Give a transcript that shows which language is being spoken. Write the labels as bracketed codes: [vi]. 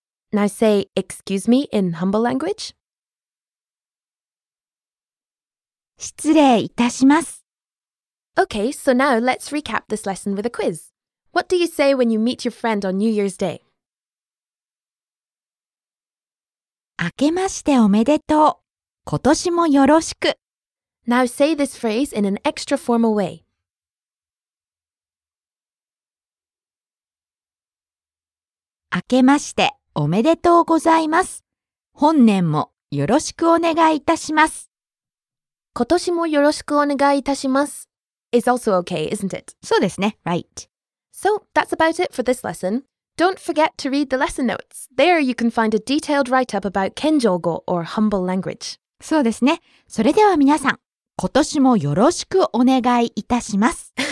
[en] Now say excuse me in humble language. [ja] 失礼いたします。 [en] Okay, so now let's recap this lesson with a quiz. What do you say when you meet your friend on New Year's Day? [ja] 明けましておめでとう。今年もよろしく。 [en] Now say this phrase in an extra formal way. [ja] 明けましておめでとうございます。本年もよろしくお願いいたします。今年もよろしくお願いいたします。 [en] Is also okay, isn't it? [ja] そうですね、 [en] right. So, that's about it for this lesson. Don't forget to read the lesson notes. There you can find a detailed write-up about 謙譲語 or humble language. [ja] そうですね。それでは皆さん、今年もよろしくお願いいたします。